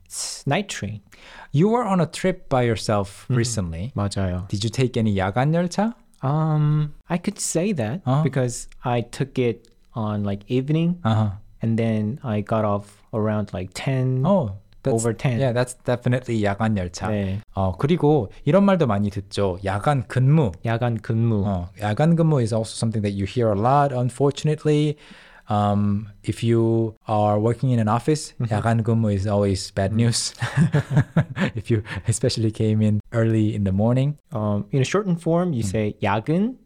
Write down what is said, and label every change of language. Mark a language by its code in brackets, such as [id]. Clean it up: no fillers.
[en] It's night train. You were on a trip by yourself recently. [ko] 맞아요. [en] Did you take any 야간 열차? I could say that because I took it on like evening and then I got off around like 10. Oh, that's, over 10. Yeah, that's definitely 야간 열차. [ko] 네. 그리고 이런 말도 많이 듣죠. 야간 근무. 야간 근무. [en] 야간 근무 is also something that you hear a lot, unfortunately. If you are working in an office, 야간 근무 is always bad news. If you especially came in early in the morning. In a shortened form, you say 야근.